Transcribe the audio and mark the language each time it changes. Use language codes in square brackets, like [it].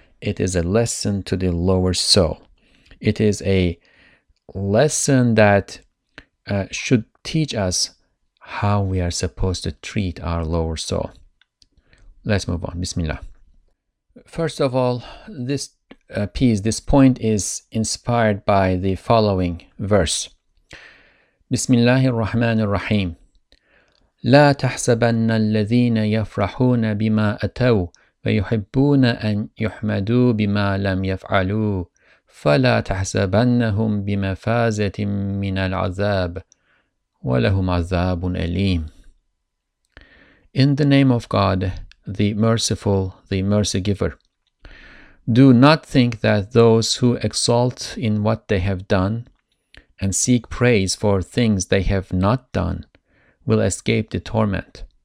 [en] It is a lesson to the lower soul. It is a lesson that should teach us how we are supposed to treat our lower soul. Let's move on. Bismillah. First of all, this piece, this point is inspired by the following verse. Bismillahir Rahmanir Rahim. [ar] لا تحسبن الذين يفرحون بما أتوا ويحبون أن يحمدوا بما لم يفعلوا فلا تحسبنهم بمفازة من العذاب وَلَهُمْ عَذَابٌ أَلِيمٌ. [en] In the name of God, the Merciful, the Mercy Giver, do not think that those who exult in what they have done and seek praise for things they have not done will escape the torment.